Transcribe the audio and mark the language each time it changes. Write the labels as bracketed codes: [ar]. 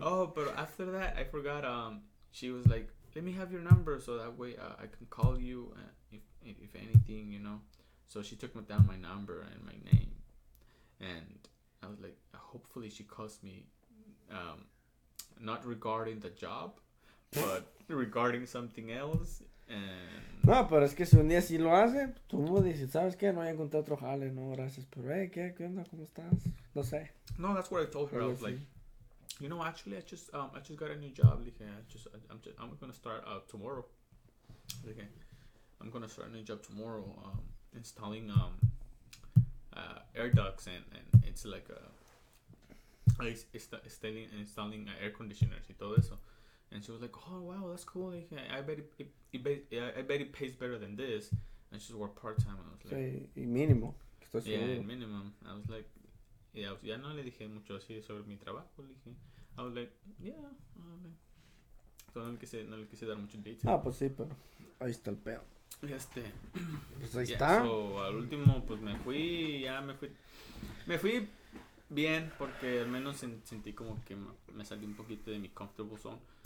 [en] Oh, but after that, I forgot, she was like, let me have your number so that way I can call you if anything, you know. So she took down my number and my name, and I was like, hopefully she calls me, not regarding the job, but regarding something else. And [es] no, pero es que si un día sí lo hace, tú no dices, ¿sabes qué? No voy a encontrar otro jale, no, gracias, pero hey, ¿qué onda? ¿Cómo estás? No sé. [en] No, that's what I told her. Pero I was like, you know, actually, I just got a new job. Like, I'm going to start tomorrow. Like, I'm going to start a new job tomorrow, installing air ducts, and it's like installing air conditioners [es] y todo eso. [en] And she was like, oh wow, that's cool. Like, I bet it pays better than this. And she's worked part time. I was like, [es] sí, mínimo. [en] Yeah, minimum. I was like, yeah, [es] ya no le dije mucho así sobre mi trabajo. Le dije, [en] I was like, yeah. So [es] no le quise dar mucho detalle. Ah, pues sí, pero ahí está el pedo. Este. Pues ahí está. So, al último, pues me fui bien, porque al menos sentí como que me salí un poquito de mi [en] comfortable zone.